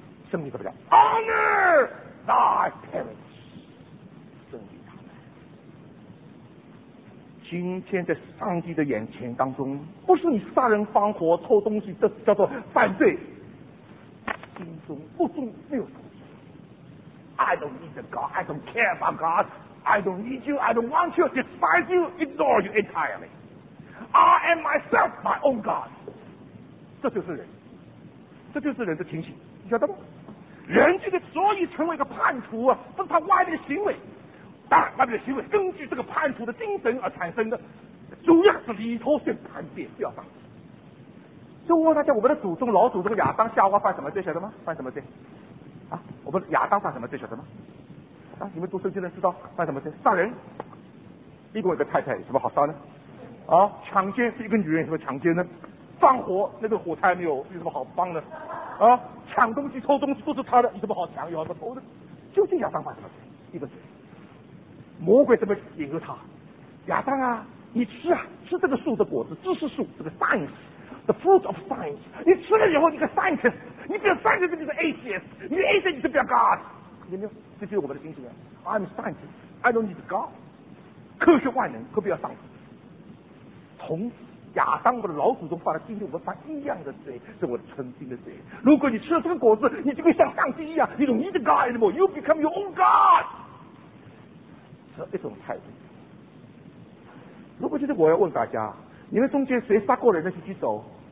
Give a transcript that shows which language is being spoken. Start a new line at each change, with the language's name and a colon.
Chinese: 圣经怎么讲 ？
English: Honor thy parents，
Chinese: 尊敬他们。今天在上帝的眼前当中，不是你杀人放火偷东西，这叫做犯罪。心中不重没有东西。
English: I don't need the God， I don't care about God， I don't need you， I don't want you， despise you， ignore you entirely。 I am myself, my own God。
Chinese: 这就是人，这就是人的情形，你晓得吗？人就是所以成为一个叛徒啊，不是他外面的行为，当然外面的行为根据这个叛徒的精神而产生的，主要是里头是叛变，不要当。就问大家，我们的祖宗老祖宗亚当夏娃犯什么罪，晓得吗？犯什么罪啊？我们亚当犯什么罪，晓得吗？啊，你们读圣经的人知道犯什么罪？杀人。一共有个太太，有什么好杀呢？啊，强奸，是一个女人什么强奸呢？放火，那个火柴没有，有什么好放呢？啊，抢东西偷东西都是他的，有什么好抢，有什么偷的？究竟亚当犯什么罪？一个罪，魔鬼怎么引诱他？亚当啊，你吃啊，吃这个树的果子，知识树，这个 science，
English: the fruit of science，
Chinese: 你吃了以后你个 scientist， 你变 scientist 就是 atheist， 你 atheist 你就变 god， 有没有？这就是我们的精神啊。
English: I'm scientist， I don't need god，
Chinese: 科学万能，何必要上帝？从亚当我的老祖宗犯了，今天我们犯一样的罪，是我的纯净的罪。如果你吃了这个果子，你就会像上帝一样，
English: you don't need God anymore， you become your own God，
Chinese: 是一种态度。如果今天我要问大家，你们中间谁杀过人的举手？